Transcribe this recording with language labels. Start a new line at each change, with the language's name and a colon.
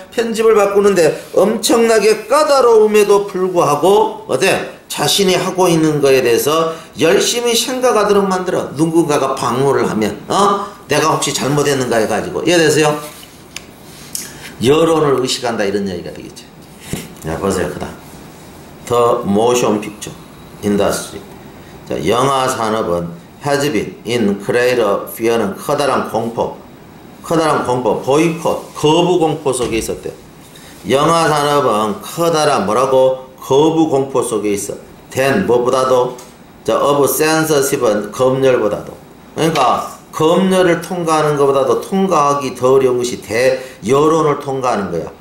Korean: 편집을 바꾸는데 엄청나게 까다로움에도 불구하고, 어때? 자신이 하고 있는 거에 대해서 열심히 생각하도록 만들어. 누군가가 방어를 하면, 어? 내가 혹시 잘못했는가 해가지고. 이해됐어요? 여론을 의식한다, 이런 얘기가 되겠죠. 자, 보세요. 그 다음.
English: The motion picture industry.
Korean: 자, 영화 산업은
English: has been in greater fear
Korean: 는 커다란 공포. 커다란 공포,
English: boycott,
Korean: 거부 공포 속에 있었대. 영화 산업은 커다란 뭐라고? 거부 공포 속에 있어.
English: than,
Korean: 뭐보다도? 자,
English: of censorship
Korean: 은 검열보다도. 그러니까, 검열을 통과하는 것보다도 통과하기 더 어려운 것이 대여론을 통과하는 거야.